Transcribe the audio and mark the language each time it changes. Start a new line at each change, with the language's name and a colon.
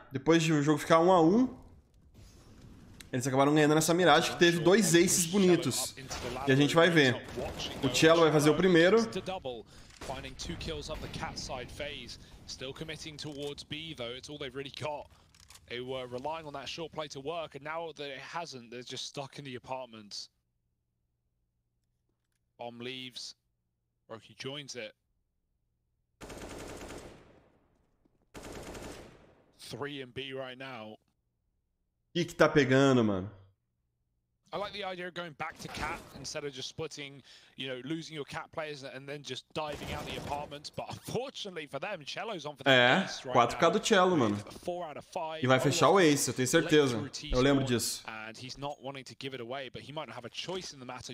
Portuguese: Depois de o jogo ficar 1-1, eles acabaram ganhando nessa Mirage, que teve dois aces bonitos. E a gente vai ver. O Cello vai fazer o primeiro.
English: Finding two kills up the cat side phase. Still committing towards B though, it's all they've really got. They were relying on that short play to work, and now that it hasn't, they're just stuck in the apartment. Bomb leaves. Roki joins it. Three and B right now.
Portuguese: Que tá pegando, mano?
English: I like the idea of going back to cat instead of just splitting, you know, losing your cat players and then just diving out the apartment. But unfortunately for them, Cello's on for the ace right now.
Portuguese: 4k do Cello, mano. E vai fechar o ace, eu tenho certeza. Eu lembro disso.
English: And he's not wanting to give it away, but he might not have a choice in the matter.